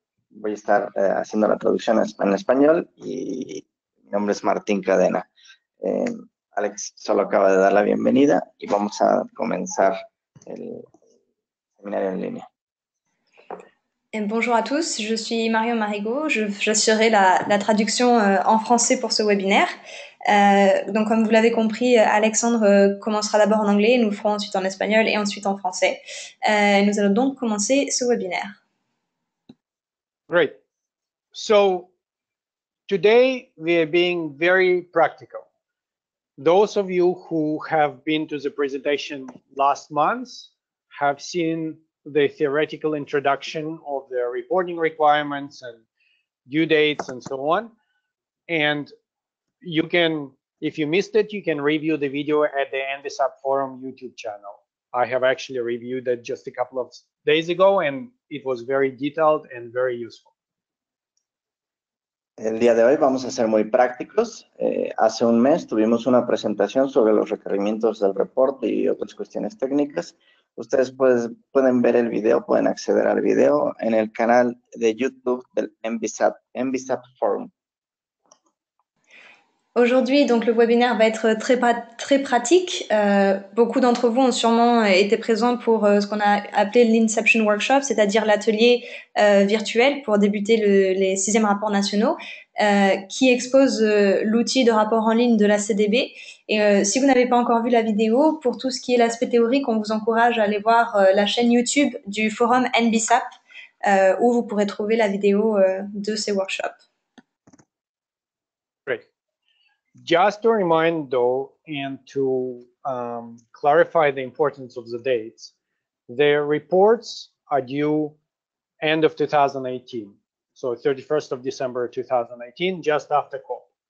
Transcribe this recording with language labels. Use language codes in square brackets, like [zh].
[es] Voy a estar haciendo la traducción en español y mi nombre es Martín Cadena. Alex solo acaba de dar la bienvenida y vamos a comenzar el seminario en línea. [fr] Et bonjour à tous, je suis Marion Marigot, j'assurerai la traduction en français pour ce webinaire. Donc comme vous l'avez compris, Alexandre commencera d'abord en anglais, nous le ferons ensuite en espagnol et ensuite en français. Nous allons donc commencer ce webinaire. [en] Great. So, today we are being very practical. Those of you who have been to the presentation last month have seen the theoretical introduction of the reporting requirements and due dates and so on. And you can, if you missed it, you can review the video at the NVSAP Forum YouTube channel. I have actually reviewed it just a couple of days ago and it was very detailed and very useful. [es] El día de hoy vamos a ser muy prácticos. Hace un mes tuvimos una presentación sobre los requerimientos del reporte y otras cuestiones técnicas. Ustedes pueden ver el video, pueden acceder al video en el canal de YouTube del NVSAP Forum. [fr] Aujourd'hui, donc, le webinaire va être très, très pratique. Beaucoup d'entre vous ont sûrement été présents pour ce qu'on a appelé l'Inception Workshop, c'est-à-dire l'atelier virtuel pour débuter les sixièmes rapports nationaux, qui expose l'outil de rapport en ligne de la CDB. Et si vous n'avez pas encore vu la vidéo, pour tout ce qui est l'aspect théorique, on vous encourage à aller voir la chaîne YouTube du forum NVSAP, où vous pourrez trouver la vidéo de ces workshops. [en] Just to remind though, and to clarify the importance of the dates, the reports are due end of 2018. So 31st of December, 2018, just after COP.